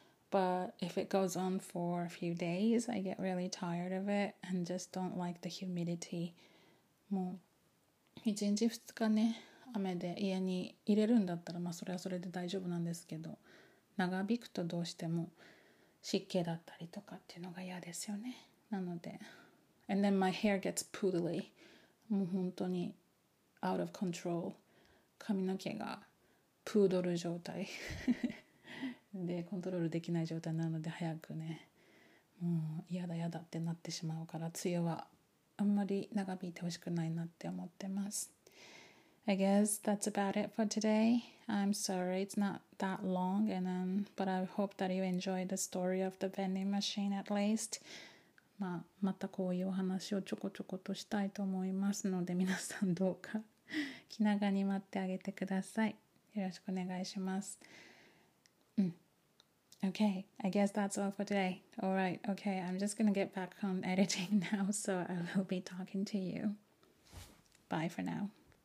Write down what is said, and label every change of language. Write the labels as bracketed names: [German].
[English] But if it goes on for a few days, I get really tired of it and just don't like the humidity. [Japanese] もう一日二日ね、雨で家にいれるんだったら、まあそれはそれで大丈夫なんですけど、長引くとどうしても湿気だったりとかっていうのが嫌ですよね。なので、 [English] and then my hair gets poodly. [Japanese] もう本当に [English] out of control. [Japanese] 髪の毛がプードル状態でコントロールできない状態なので、早くね、もう嫌だ嫌だってなってしまうから、梅雨はあんまり長引いてほしくないなって思ってます。 [English] I guess that's about it for today. I'm sorry it's not that long, and then, but I hope that you enjoy the story of the vending machine at least. [Japanese] まあ、またこういうお話をちょこちょことしたいと思いますので、皆さんどうか気長に待ってあげてください。よろしくお願いします。 [English] うん、 Okay, I guess that's all for today. Alright, okay, I'm just gonna get back on editing now, so I will be talking to you. Bye for now.